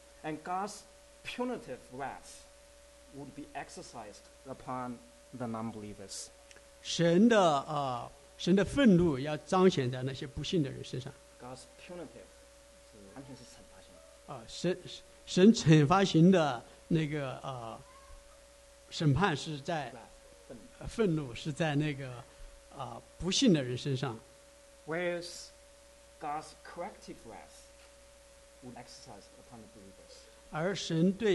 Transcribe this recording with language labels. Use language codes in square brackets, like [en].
[en] And God's punitive wrath would be exercised upon the non-believers. [zh] 神的愤怒要彰显在那些不信的人身上。 [en] God's punitive [zh] 是完全是惩罚型。神惩罚型的那个审判是在愤怒是在那个不信的人身上。 [en] Whereas God's corrective wrath would exercise upon the believers.